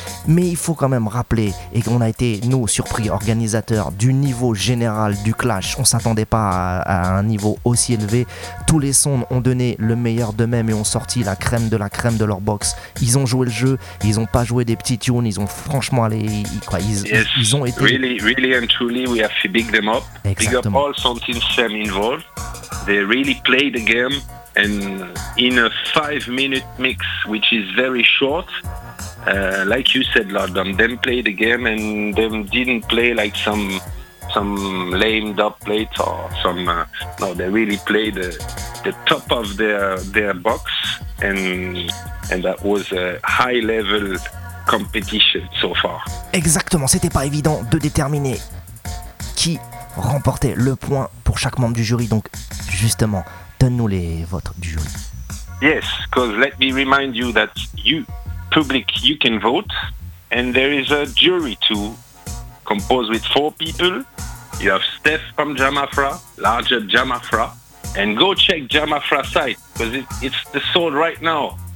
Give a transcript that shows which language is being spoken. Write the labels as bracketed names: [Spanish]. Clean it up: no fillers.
[French] Mais il faut quand même rappeler, et qu'on a été, nous, surpris, organisateurs, du niveau général du clash. On ne s'attendait pas à un niveau aussi élevé. Tous les sons ont donné le meilleur d'eux-mêmes et ont sorti la crème de leur box. Ils ont joué le jeu, ils n'ont pas joué des petits tunes, ils ont franchement allé... ils ont été... [English] Really, really and truly, we have to big them up. [French] Exactement. [English] Big up all something same involved. They really played the game, and in a 5-minute mix, which is very short, like you said, Lord, them played the game, and them didn't play like some lame dub plate or some. No, they really played the top of their box, and that was a high level competition so far. [French] Exactement, c'était pas évident de déterminer qui remportait le point pour chaque membre du jury. Donc justement, donne-nous les votes du jury. [English] Yes, because let me remind you that you, public, you can vote. And there is a jury too, composed with 4 people. You have Steph from Jamafra, larger Jamafra. And go check Jamafra site, because it's the sold right now.